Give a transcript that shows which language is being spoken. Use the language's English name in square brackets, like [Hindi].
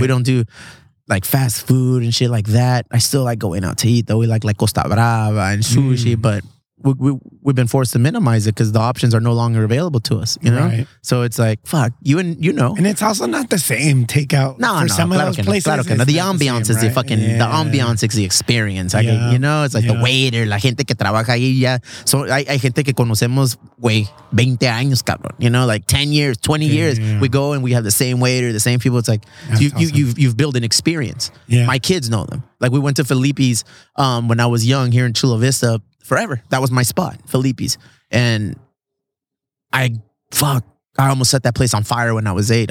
[English] We don't do like fast food and shit like that. I still like going out to eat though. We like Costa Brava and sushi, but we've been forced to minimize it because the options are no longer available to us, you know? Right. So it's like, fuck, you know. And it's also not the same takeout some [Spanish] claro [English] of those places. [Spanish] Claro que no. [English] The ambiance is the fucking, the ambiance is the experience. Yeah. Like, you know, it's like the waiter, [Spanish] la gente que trabaja ahí ya. So hay gente que conocemos, güey, 20 años, cabrón. [English] You know, like 10 years, 20 years. We go and we have the same waiter, the same people. It's like, you've built an experience. Yeah. My kids know them. Like we went to Felipe's when I was young here in Chula Vista. Forever. That was my spot, Felipe's. And I almost set that place on fire when I was 8.